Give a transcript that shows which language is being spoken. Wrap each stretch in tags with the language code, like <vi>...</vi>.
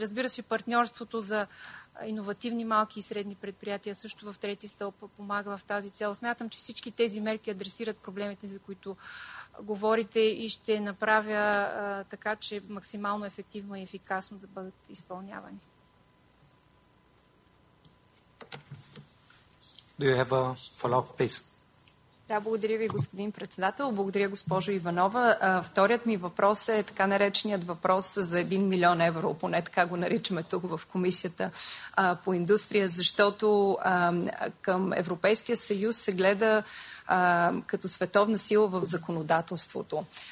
<bg>Разбира се, партньорството за иновативни малки и средни предприятия също в трети стълб помага в тази цел. Смятам, че всички тези мерки адресират проблемите, за които говорите, и ще направя така, че максимално ефективно и ефикасно да бъдат изпълнявани.</bg> <en>Do you have a follow-up, please?</en> <bg>Да, благодаря ви, господин председател. Благодаря, госпожо Иванова. Вторият ми въпрос е така нареченият въпрос за 1 милион евро, поне така го наричаме тук в комисията по индустрия, защото към Европейския съюз се гледа като световна сила в законодателството.</bg>